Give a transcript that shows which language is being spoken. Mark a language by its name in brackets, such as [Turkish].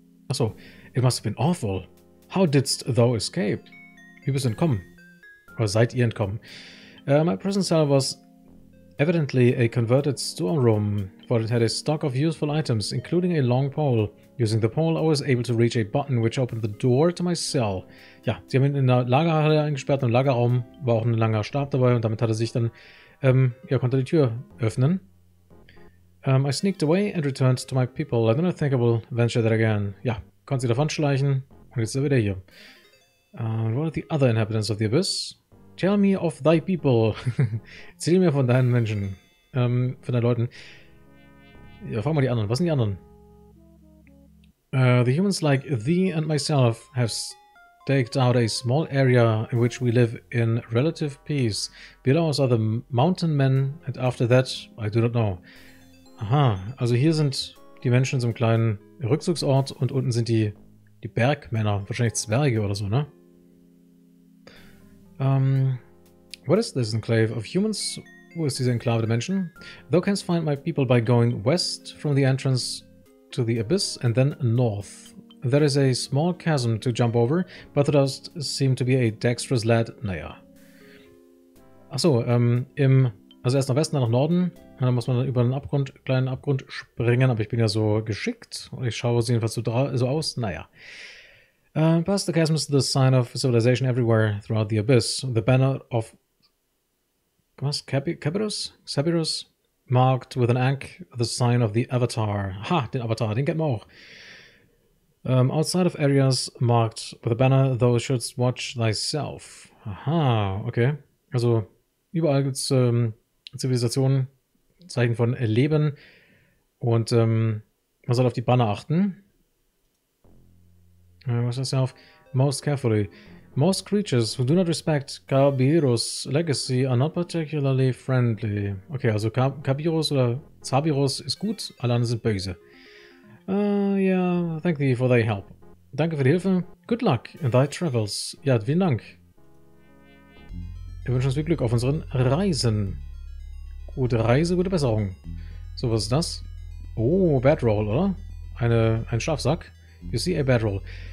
[English] Achso, it must have been awful. How didst thou escape? [German] Wie bist du entkommen? Oder seid ihr entkommen? [English] My prison cell was evidently a converted storeroom, for it had a stock of useful items, including a long pole. Using the pole, I was able to reach a button which opened the door to my cell. [German] Ja, sie haben ihn in der Lagerhalle eingesperrt, im Lagerraum war auch ein langer Stab dabei und damit hat er sich dann, konnte die Tür öffnen. [English] I sneaked away and returned to my people. I don't think I will venture that again. [German] Ja, konnte sie davon schleichen und jetzt ist er wieder hier. [English] What are the other inhabitants of the Abyss? Tell me of thy people. [German] Erzähl mir von deinen Menschen. Von deinen Leuten. Ja, frag mal die anderen. Was sind die anderen? [English] The humans like thee and myself have staked out a small area in which we live in relative peace. Below us are the mountain men and after that I do not know. [German] Aha, also hier sind die Menschen in so einem kleinen Rückzugsort und unten sind die Bergmänner, wahrscheinlich Zwerge oder so, ne? [English] What is this enclave of humans? [German] Wo ist diese Enklave der Menschen? [English] Thou canst find my people by going west from the entrance to the abyss and then north. There is a small chasm to jump over, but thou dost seem to be a dexterous lad. [German] Naja. Achso, also erst nach Westen, dann nach Norden. Und dann muss man dann über einen Abgrund, kleinen Abgrund springen, aber ich bin ja so geschickt. Und ich schaue sie jedenfalls so aus. Naja. [English] Past the chasm is the sign of civilization everywhere throughout the abyss. The banner of. Was? Kepiros? Sepiros? Marked with an ankh, the sign of the Avatar. [German] Ha, den Avatar, den kennen wir auch. [English] Outside of areas marked with a banner, thou shouldst watch thyself. [German] Aha, okay. Also, überall gibt es Zivilisationen, Zeichen von Leben. Und man soll auf die Banner achten. [English] Watch thyself most carefully. Most creatures who do not respect Kabiros legacy are not particularly friendly. [German] Okay, also Kabiros oder Zabiros ist gut, alle anderen sind böse. [English] Yeah, thank thee for thy help. [German] Danke für die Hilfe. [English] Good luck in thy travels. [German] Ja, vielen Dank. Wir wünschen uns viel Glück auf unseren Reisen. Gute Reise, gute Besserung. So, was ist das? Oh, Bad Roll, oder? Ein Schlafsack. [English] You see a Bad Roll.